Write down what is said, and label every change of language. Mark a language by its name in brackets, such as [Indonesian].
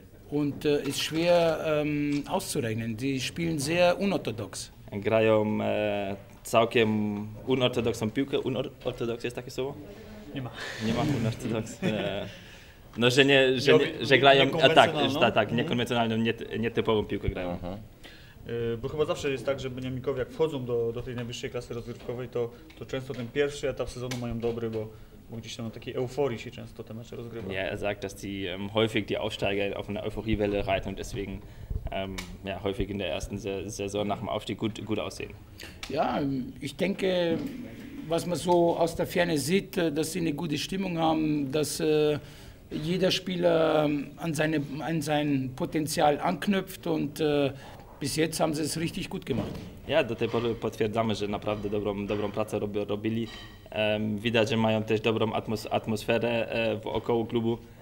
[German] Und ist schwer auszurechnen. Die spielen sehr unorthodox. [Polish] Grają całkiem unorthodoxą piłkę. Unorthodox jest takie słowo? Nie ma. Nie ma unorthodox. No, że nie, że nie, że grają, a Niekonwencjonalną. tak, niekonwencjonalną, nietypową piłkę grają. Bo chyba zawsze jest tak, że Beniaminkowie, jak wchodzą do tej najwyższej klasy rozgrywkowej, to często ten pierwszy etap sezonu mają dobry, bo gdzieś tam na takiej euforii się często te mecze rozgrywa. [German] Ja, er sagt, dass häufig die Aufsteiger auf einer Euphoriewelle reiten und deswegen ja, häufig in der ersten Saison nach dem Aufstieg gut aussehen. Ja, ich denke, was man so aus der Ferne sieht, dass sie eine gute Stimmung haben, dass jeder Spieler an sein Potenzial anknüpft und bis jetzt haben sie es richtig gut gemacht. [Polish] Ja, do tej pory potwierdzamy, że naprawdę dobrą pracę robili. Widać, że mają też dobrą atmosferę wokół klubu.